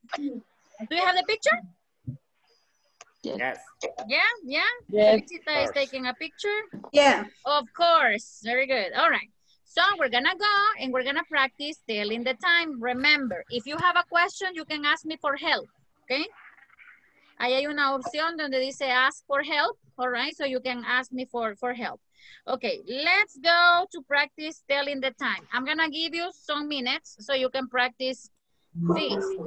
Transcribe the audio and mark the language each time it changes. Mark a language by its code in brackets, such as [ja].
[en] Do you have the picture? Yes. Yeah? Felicita is taking a picture? Yeah. Of course. Very good. All right. So we're gonna go and we're gonna practice telling the time. Remember, if you have a question, you can ask me for help, okay? [es] Ahí hay una opción donde dice [en] ask for help, [es] all right? [en] So you can ask me for help. Okay, let's go to practice telling the time. I'm gonna give you some minutes so you can practice this.